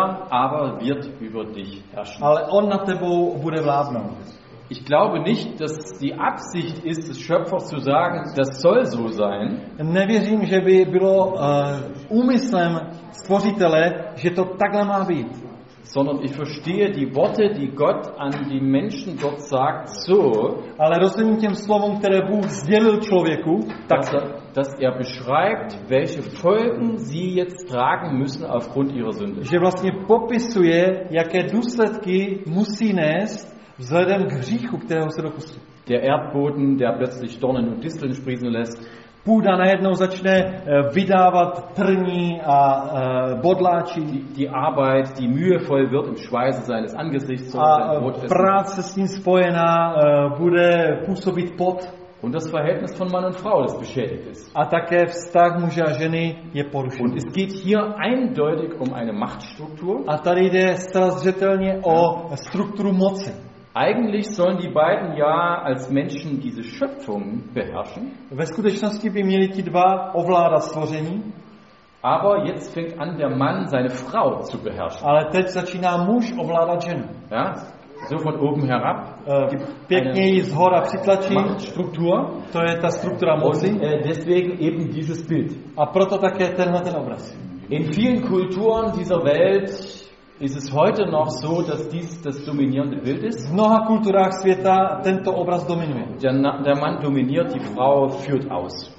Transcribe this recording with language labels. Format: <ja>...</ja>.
<de>aber wird über dich herrschen.</de> <cs>Ale on nad tebou bude vládnout.</cs> <de>Ich glaube nicht, dass die Absicht ist, des Schöpfers zu sagen, das soll so sein.</de> <cs>Nevěřím, že by bylo úmyslem stvořitele, že to takhle má být.</cs> <de>Sondern ich verstehe die Worte, die Gott an die Menschen dort sagt, so.</de> <cs>Ale rozumím těm slovům, které Bůh sdělil člověku,</cs> <de>tak, dass er beschreibt, welche Folgen sie jetzt tragen müssen aufgrund ihrer Sünde.</de> <cs>Že vlastně popisuje, jaké důsledky musí nést vzhledem k hříchu, kterého se dopustil.</cs> <de>Der Erdboden, der plötzlich Dornen und Disteln sprießen lässt.</de> <cs>Půda najednou začne vydávat trní a bodláči.</cs> <de>Die Arbeit, die mühevoll wird im Schweiße seines Angesichts.</de> <cs>A práce s ním spojená bude působit pot.</cs> <de>Und das Verhältnis von Mann und Frau, das beschädigt ist.</de> <cs>A také vztah muže a ženy je porušený.</cs> <de>Und es geht hier eindeutig um eine Machtstruktur.</de> <cs>A tady jde zcela zřetelně o strukturu moci.</cs> <de>Eigentlich sollen die beiden ja als Menschen diese Schöpfung beherrschen.</de> <cs>Ve skutečnosti by měli ti dva ovládat stvoření.</cs> <de>Aber jetzt fängt an der Mann seine Frau zu beherrschen.</de> <cs>Ale teď začíná muž ovládat ženu.</cs> <de>Ja, so von oben herab.</de> <cs>Pěkně ji zhora přitlačí.</cs> <de>Machtstruktur.</de> <cs>To je ta struktura moci.</cs> <de>Deswegen eben dieses Bild.</de> <cs>A proto také tenhle ten obraz.</cs> <de>In vielen Kulturen dieser Welt ist es heute noch so, dass dies das dominierende Bild ist?</de> <cs>V mnoha kulturách světa tento obraz dominuje.</cs> <de>Der Mann dominiert, die Frau führt aus.</de>